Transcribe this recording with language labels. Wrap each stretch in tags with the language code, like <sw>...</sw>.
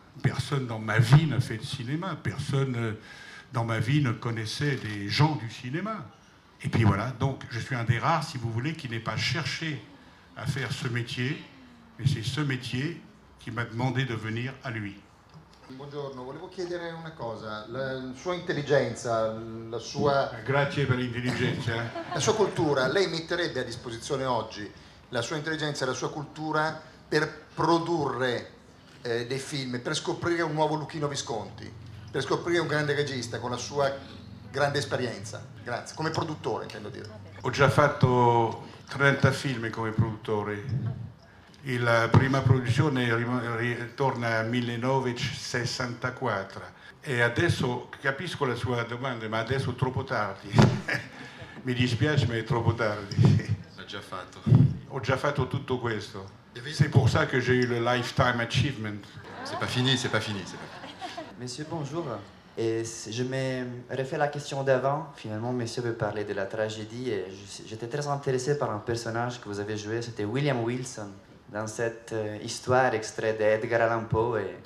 <fr>Personne dans ma vie n'a fait de cinéma. Personne dans ma vie ne connaissait des gens du cinéma. Et puis voilà, donc je suis un des rares, si vous voulez, qui n'ait pas cherché à faire ce métier. Et c'est ce métier qui m'a demandé de venir à lui.</fr> <it>Buongiorno, volevo chiedere una cosa. La sua intelligenza, la sua... Grazie per l'intelligenza. La sua cultura, lei metterebbe a disposizione oggi la sua intelligenza e la sua cultura per produrre dei film, per scoprire un nuovo Luchino Visconti, per scoprire un grande regista con la sua grande esperienza? Grazie, come produttore intendo dire. Ho già fatto 30 film come produttore. E la prima produzione ritorna al 1964. E adesso capisco la sua domanda, ma adesso è troppo tardi. Mi dispiace, ma è troppo tardi. L'ha già fatto. Ho già fatto tutto questo.</it> <fr>C'est pour ça que j'ai eu le lifetime achievement. C'est pas fini, c'est pas fini, c'est pas fini. Monsieur, bonjour. Et je me refais la question d'avant. Finalement, monsieur veut parler de la tragédie. Et j'étais très intéressé par un personnage que vous avez joué. C'était William Wilson. Dans cette histoire extraite d'Edgar Allan Poe et...</fr>